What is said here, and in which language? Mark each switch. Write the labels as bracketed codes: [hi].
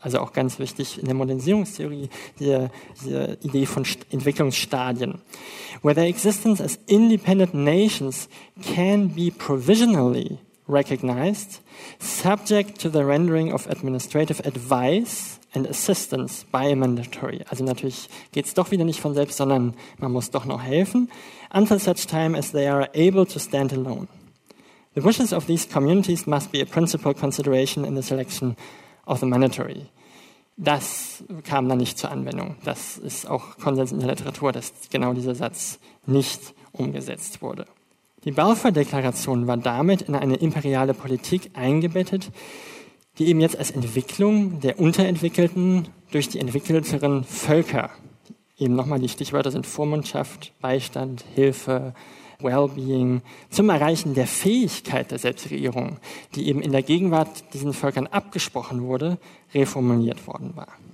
[de] Also auch ganz wichtig in der Modernisierungstheorie, diese Idee von Entwicklungsstadien. [en] Where their existence as independent nations can be provisionally recognized, subject to the rendering of administrative advice and assistance by a mandatory. [de] Also natürlich geht's doch wieder nicht von selbst, sondern man muss doch noch helfen. [en] Until such time as they are able to stand alone. The wishes of these communities must be a principal consideration in the selection of the mandatory. [de] Das kam dann nicht zur Anwendung. Das ist auch Konsens in der Literatur, dass genau dieser Satz nicht umgesetzt wurde. Die Balfour-Deklaration war damit in eine imperiale Politik eingebettet, die eben jetzt als Entwicklung der Unterentwickelten durch die entwickelteren Völker, eben nochmal die Stichwörter sind Vormundschaft, Beistand, Hilfe, Wellbeing, zum Erreichen der Fähigkeit der Selbstregierung, die eben in der Gegenwart diesen Völkern abgesprochen wurde, reformuliert worden war.